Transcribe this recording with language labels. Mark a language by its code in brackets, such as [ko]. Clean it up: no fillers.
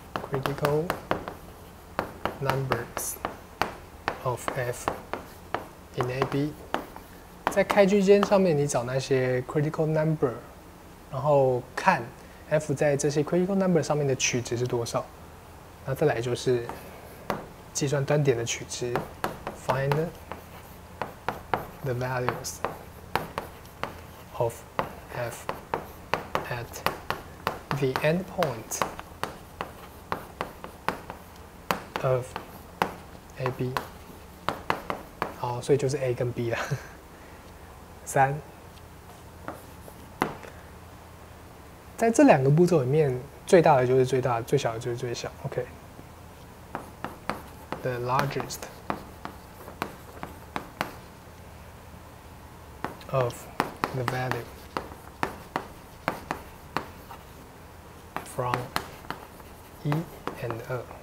[en] Critical numbers of f in AB， [zh] 在开区间上面你找那些 critical number， 然后看 f 在这些 critical number 上面的取值是多少。那再来就是计算端点的取值 ， [en] find the values of f at the endpoint。 of A B， [zh] 好，所以就是 A 跟 B 啦。三，在这两个步骤里面，最大的就是最大的，最小的就是最小。 [en] OK，the largest of the value from 一 and 二。